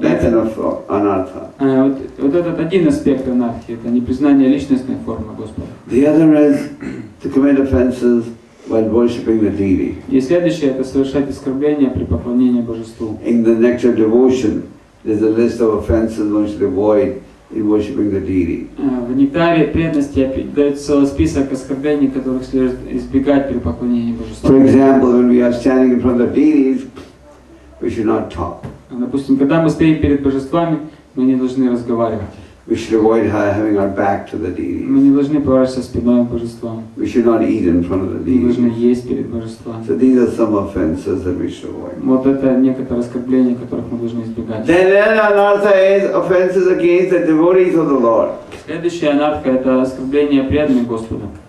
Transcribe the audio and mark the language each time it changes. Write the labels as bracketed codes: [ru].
[en] That's anartha. [ru] Вот этот один аспект анархи, это непризнание личностной формы Господа. [en] The other is to commit offenses while worshipping the deity. [ru] И следующее это совершать оскорбления при поклонении божеству. [en] In the nectar of devotion, there's a list of offenses one should avoid in worshipping the deity. [ru] В нектаре преданности дается целый список оскорблений, которых следует избегать при поклонении божеству. [en] For example, when we are standing in front of deities, we should not talk. [ru] Допустим, когда мы стоим перед божествами, мы не должны разговаривать. [en] We should avoid having our back to the deity. [ru] Мы не должны поворачиваться спиной к божествам. [en] We should not eat in front of the deity. [ru] Мы должны есть перед божествами. [en] So these are some offenses that we should avoid. [ru] Вот это некоторые оскорбления, которых мы должны избегать. [en] Then anartha is offenses against the devotees of the Lord. [ru] Следующая анартха это оскорбление преданных Господа.